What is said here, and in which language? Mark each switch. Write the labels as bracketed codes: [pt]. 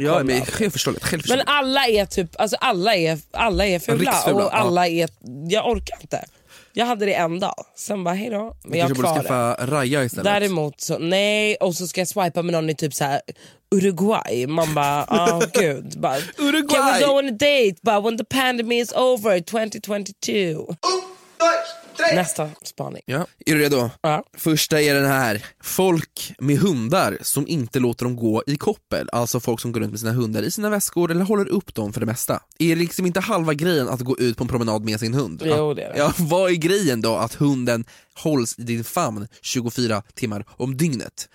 [sv] kolla. Ja, men förståeligt. Men alla är typ, alltså alla är fula och alla är, jag orkar inte. Jag hade det en dag, sen bara hej då. Men jag borde skaffa Raja istället. Däremot så nej, och så ska jag swipa med någon i typ så här Uruguay. Man bara, åh gud, bara Uruguay. [en] Can we go on a date, but when the pandemic is over 2022. [sv] Nästa spaning. Ja. Är du redo? Ja. Första är den här. Folk med hundar som inte låter dem gå i koppel. Alltså folk som går runt med sina hundar i sina väskor eller håller upp dem för det mesta. Är det liksom inte halva grejen att gå ut på en promenad med sin hund? Jo, det är det. Ja, vad är grejen då att hunden hålls i din famn 24 timmar om dygnet?